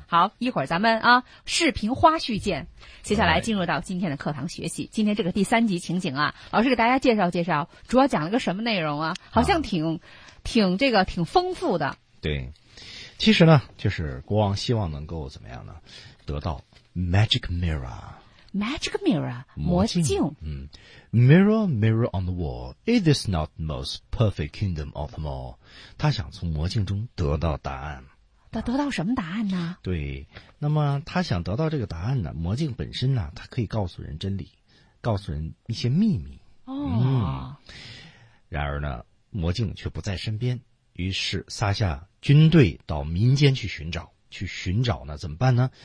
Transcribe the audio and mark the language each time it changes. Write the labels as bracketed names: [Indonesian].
[Chinese] 好，一会儿咱们啊视频花絮见。接下来进入到今天的课堂学习，今天这个第三集情景啊，老师给大家介绍介绍，主要讲了个什么内容啊？好像挺丰富的。对，其实呢，就是国王希望能够怎么样呢？得到 magic mirror。 [English] Magic mirror, [Chinese] 魔镜。 [English] Mirror, mirror on the wall, is this not the most perfect kingdom of them all? [Chinese] 他想从魔镜中得到答案。得到什么答案呢？对，那么他想得到这个答案呢，魔镜本身呢，它可以告诉人真理，告诉人一些秘密。然而呢，魔镜却不在身边，于是撒下军队到民间去寻找，去寻找呢，怎么办呢？